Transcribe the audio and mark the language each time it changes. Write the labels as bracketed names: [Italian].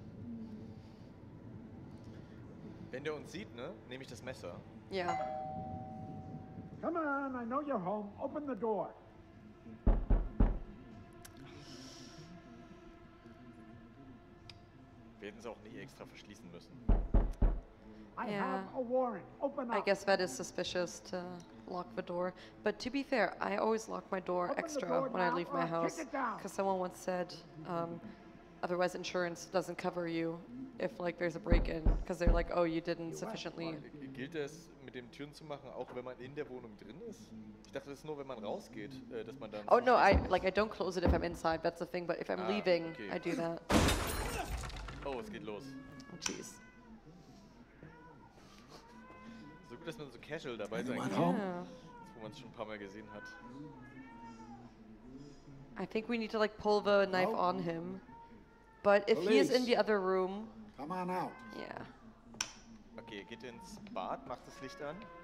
[English] Open up. [German] Wenn der uns sieht, ne, nehme ich das Messer. Ja. [English] Yeah. Come on, I know you're home. Open the door. [German] Wir hätten es auch nie extra verschließen müssen. [English] Yeah. I have a warrant. Open up. I guess that is suspicious to lock the door. But to be fair, I always lock my door open [German] extra [English] door when I leave my house. Because someone once said, otherwise insurance doesn't cover you if like there's a break-in. Because they're like, oh, you didn't sufficiently. [German] Gilt es mit dem Türen zu machen, auch wenn man in der Wohnung drin ist? Ich dachte, das ist nur, wenn man rausgeht, dass man dann. [English] Oh no, I don't close it if I'm inside. That's the thing. But if I'm leaving, okay. I do that. [German] Oh, es geht los. [English] Oh, jeez. [German] So gut, dass man so casual dabei sein kann, wo man es schon ein paar Mal gesehen hat. [English] I think we need to like pull the knife on him. But if Police. He is in the other room... Come on out. Yeah. [German] Okay, geht ins Bad, macht das Licht an.